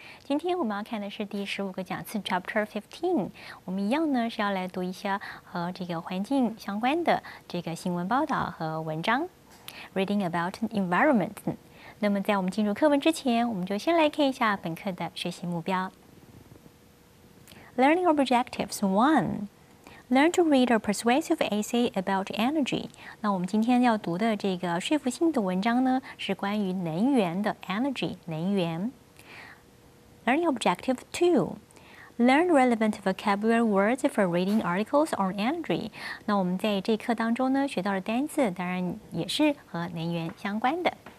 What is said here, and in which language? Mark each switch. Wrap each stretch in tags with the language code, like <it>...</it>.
<zh>今天我们要看的是第十五个讲次 chapter 15。我们一样呢是要来读一下和这个环境相关的这个新闻报道和文章。</zh> <en>Reading about environment.</en> <zh>那么在我们进入课文之前，我们就先来看一下本课的学习目标。</zh> <en>Learning objectives 1. Learn to read a persuasive essay about energy.</en> <zh>那我们今天要读的这个说服性的文章呢，是关于能源的 energy, 能源。</zh> <en>Learning objective 2. Learn relevant vocabulary words for reading articles on energy.</en> <zh>那我们在这课当中呢，学到的单词当然也是和能源相关的。</zh>